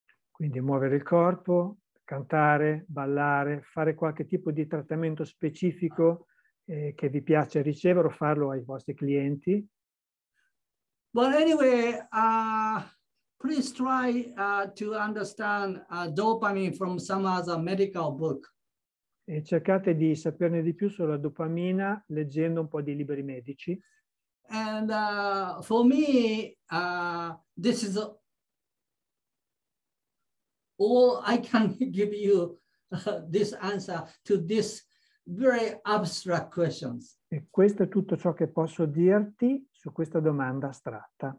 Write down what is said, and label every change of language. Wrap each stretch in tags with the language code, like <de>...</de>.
<it>Quindi muovere il corpo, cantare, ballare, fare qualche tipo di trattamento specifico che vi piace ricevere o farlo ai vostri clienti.</it> <en>But anyway, please try to understand dopamine from some other medical book.</en> <it>E cercate di saperne di più sulla dopamina leggendo un po' di libri medici.</it> <en>And for me, this is all I can give you this answer to this very abstract questions.</en> <it>E questo è tutto ciò che posso dirti su questa domanda astratta.</it>